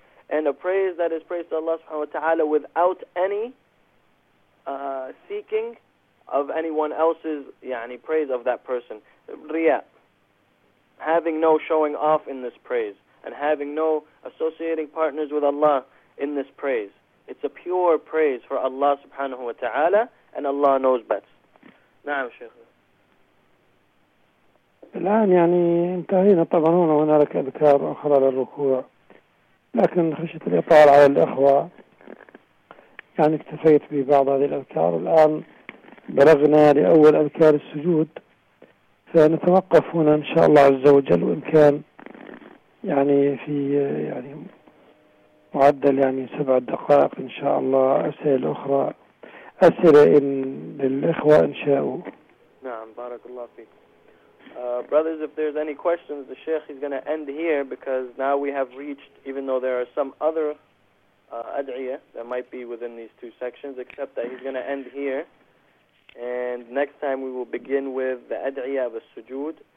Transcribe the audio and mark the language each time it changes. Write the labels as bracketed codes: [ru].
[en] And a praise that is praised to Allah subhanahu wa ta'ala without any seeking of anyone else's praise of that person. Riya. Having no showing off in this praise, and having no associating partners with Allah in this praise. It's a pure praise for Allah subhanahu wa ta'ala, and Allah knows best. Naam, Shaykh. [ar] الآن انتهينا طبعا هنا ونالك أذكار أخرى للركوع لكن خشية الإطالة على الأخوة اكتفيت ببعض هذه الأذكار الآن بلغنا لأول أذكار السجود فنتوقف هنا إن شاء الله عز وجل وإن كان في معدل سبع دقائق إن شاء الله أسئلة أخرى أسئلة للأخوة إن شاء الله نعم بارك الله فيك [en] brothers, if there's any questions, the Sheikh is going to end here because now we have reached, even though there are some other ad'iyah that might be within these two sections, except that he's going to end here. And next time we will begin with the ad'iyah of as-sujood.